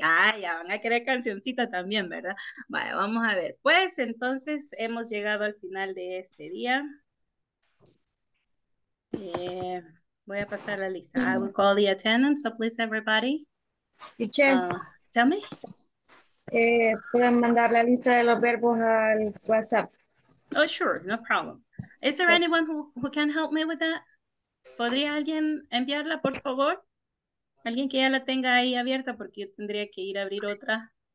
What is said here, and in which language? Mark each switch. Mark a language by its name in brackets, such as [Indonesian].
[Spanish] Ah, ya van a querer cancioncita también, ¿verdad? Vale, vamos a ver. Pues entonces hemos llegado al final de este día. Voy a pasar la lista. [English] I will call the attendance, so please, everybody. Teacher. Tell me. [Spanish] Pueden mandar la lista de los verbos al WhatsApp. [English] Oh, sure, no problem. Is there anyone who can help me with that? [Spanish] ¿Podría alguien enviarla, por favor? Alguien que ya la tenga ahí abierta, porque yo tendría que ir a abrir otra.